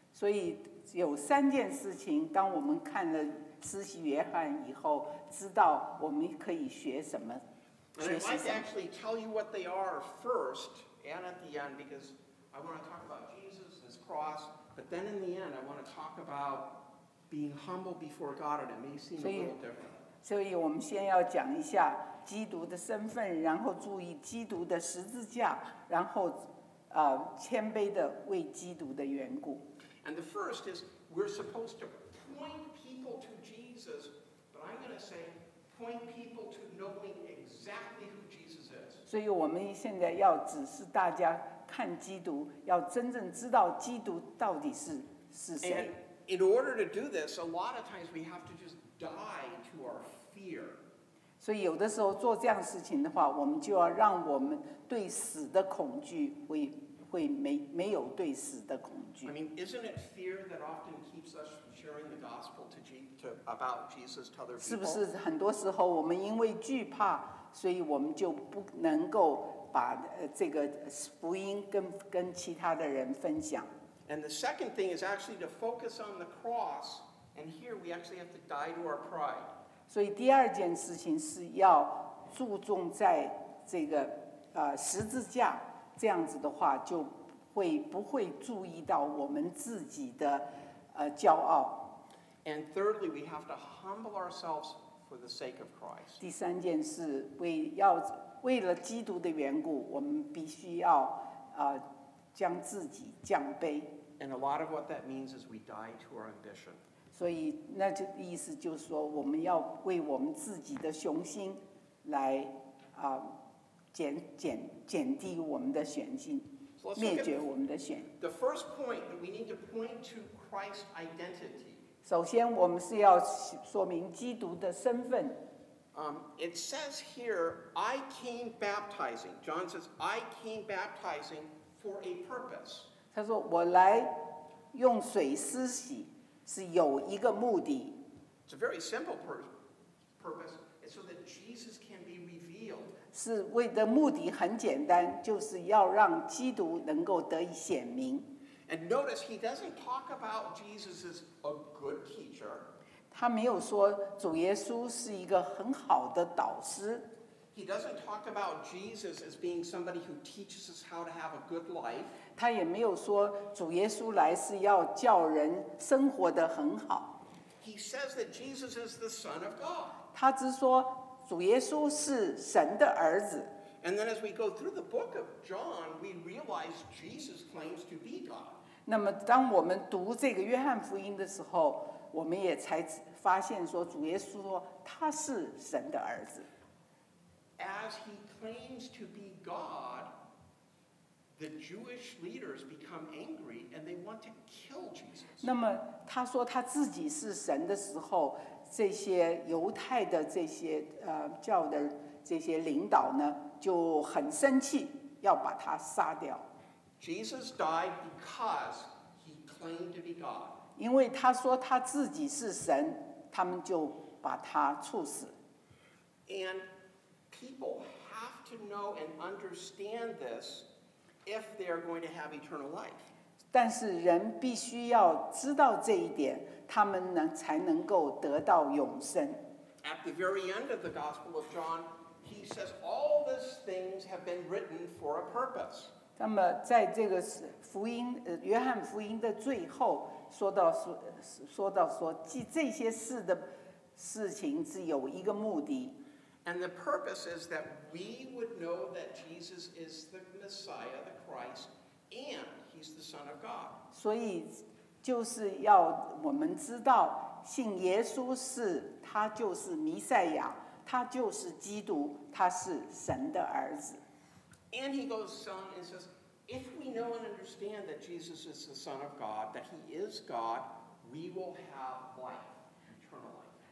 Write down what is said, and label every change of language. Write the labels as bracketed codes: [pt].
[zh] 所以有三件事情，当我们看了施洗约翰以后，知道我们可以学什么，学习什么。 [en] And I'd like to actually tell you what they are first and at the end, because I want to talk about Jesus and his cross, but then in the end I want to talk aboutBeing humble before God, and it may seem a little different. [zh] 所以我们先要讲一下基督的身份，然后注意基督的十字架，然后谦卑的为基督的缘故。 [en] And the first is we're supposed to point people to Jesus, but I'm going to say point people to knowing exactly who Jesus is. [zh] 所以我们现在要指示大家看基督，要真正知道基督到底是谁。 [en] In order to do this, a lot of times we have to just die to our fear. [zh] 所以有的时候做这样事情的话，我们就要让我们对死的恐惧会没有对死的恐惧。 [en] I mean, isn't it fear that often keeps us from sharing the gospel about Jesus to other people? [zh] 是不是很多时候我们因为惧怕，所以我们就不能够把这个福音跟其他的人分享？ [en] And the second thing is actually to focus on the cross, and here we actually have to die to our pride. [zh] 所以第二件事情是要注重在这个十字架，这样子的话就会不会注意到我们自己的骄傲。 [en] And thirdly, we have to humble ourselves for the sake of Christ. [zh] 第三件是为了基督的缘故，我们必须要将自己降卑。 [en] And a lot of what that means is we die to our ambition. [zh] 所以那就意思就是说，我们要为我们自己的雄心来啊减低我们的雄心，灭绝我们的雄心。 [en] The first point that we need to point to Christ's identity. [zh] 首先，我们是要说明基督的身份。 [en] It says here, I came baptizing. John says, I came baptizing for a purpose. [zh] 他说我来用水施洗是有一个目的。 [en] It's a very simple purpose. It's so that Jesus can be revealed. [zh] 是为的目的很简单，就是要让基督能够得以显明。 [en] And notice he doesn't talk about Jesus as a good teacher. [zh] 他没有说主耶稣是一个很好的导师。 [en] He doesn't talk about Jesus as being somebody who teaches us how to have a good life. [zh] 他也没有说主耶稣来是要叫人生活得很好。 [en] He says that Jesus is the Son of God. [zh] 他只说主耶稣是神的儿子。 [en] And then as we go through the book of John, we realize Jesus claims to be God. [zh] 那么当我们读这个约翰福音的时候，我们也才发现说主耶稣说他是神的儿子。 [en] As he claims to be God, the Jewish leaders become angry and they want to kill Jesus. [zh] 那么他说他自己是神的时候，这些犹太的这些教的这些领导呢就很生气，要把他杀掉。 [en] Jesus died because he claimed to be God. [zh] 因为他说他自己是神，他们就把他处死。 [en] And people have to know and understand this if they are going to have eternal life. [zh] 但是人必须要知道这一点，他们才能够得到永生。 [en] At the very end of the Gospel of John, he says all these things have been written for a purpose. [zh] 那么在这个福音，约翰福音的最后。说到说记这些事的事情是有一个目的。 [en] And the purpose is that we would know that Jesus is the Messiah, the Christ, and he's the Son of God. [zh] 所以就是要我们知道信耶稣是他就是弥赛亚，他就是基督，他是神的儿子。 [en] And he goes on and says,If we know and understand that Jesus is the Son of God, that he is God, we will have life, eternal life.